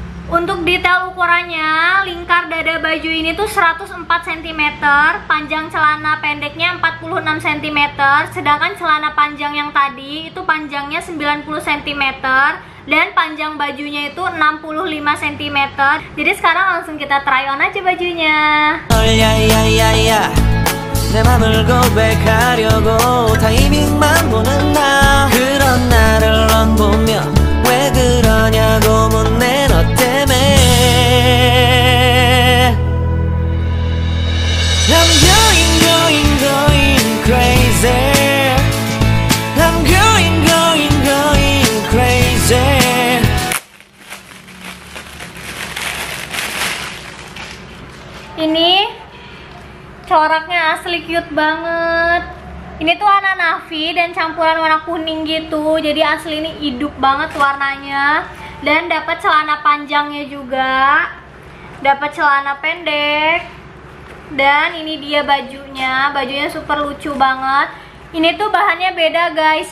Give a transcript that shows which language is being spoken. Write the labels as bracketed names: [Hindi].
[Indonesian] Untuk detail ukurannya, lingkar dada baju ini tuh 104 cm, panjang celana pendeknya 46 cm, sedangkan celana panjang yang tadi itu panjangnya 90 cm, dan panjang bajunya itu 65 cm. Jadi sekarang langsung kita try on aja bajunya. Oh yeah, yeah, yeah, yeah. [Korean] 내 맘을 고백하려고 타이밍만 보는 나 그런 나를 넌 보며 왜 그러냐고 묻네 너 때문에 [English] I'm going going going crazy I'm going going going crazy [Indonesian] 이니 Coraknya asli cute banget. Ini tuh warna navy dan campuran warna kuning gitu. Jadi asli ini hidup banget warnanya. Dan dapat celana panjangnya juga. Dapat celana pendek. Dan ini dia bajunya. Bajunya super lucu banget. Ini tuh bahannya beda guys.